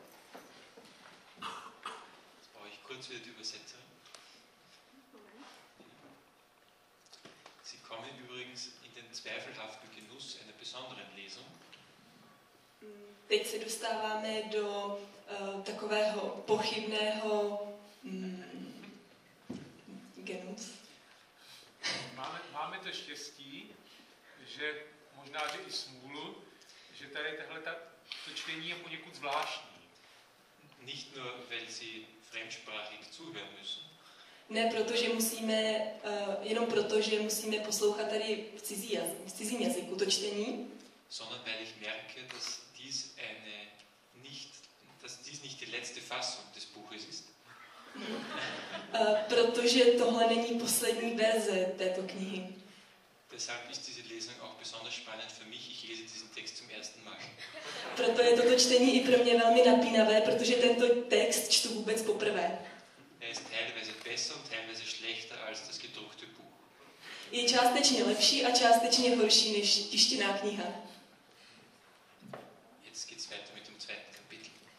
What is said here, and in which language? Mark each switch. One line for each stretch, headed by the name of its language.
German: Jetzt brauche ich kurz wieder die Übersetzerin. Sie kommen übrigens in den zweifelhaften Genuss einer besonderen Lesung.
Czech: Teď se dostáváme do takového pochybného genus. Máme to štěstí, že možná, že i smůlu, že tady tohle to čtení je poněkud zvláštní.
German: Nicht nur, weil sie fremdsprachig zuhören müssen.
Czech: Ne, protože musíme, jenom proto, že musíme poslouchat tady v cizím jazyku to čtení.
German: Sondern weil ich merke, dass dies nicht die letzte Fassung des Buches ist.
Czech: Protože tohle není poslední verze této knihy.
German: Deshalb ist diese Lesung auch besonders spannend für mich. Ich lese diesen Text zum ersten Mal.
Czech: Proto je toto čtení i pro mě velmi napínavé, protože tento text čtu vůbec poprvé.
German: Er ist teilweise besser und teilweise schlechter als das gedruckte Buch.
Czech: Je částečně lepší a částečně horší než tištěná kniha.
German: Jetzt geht's weiter mit dem zweiten Kapitel.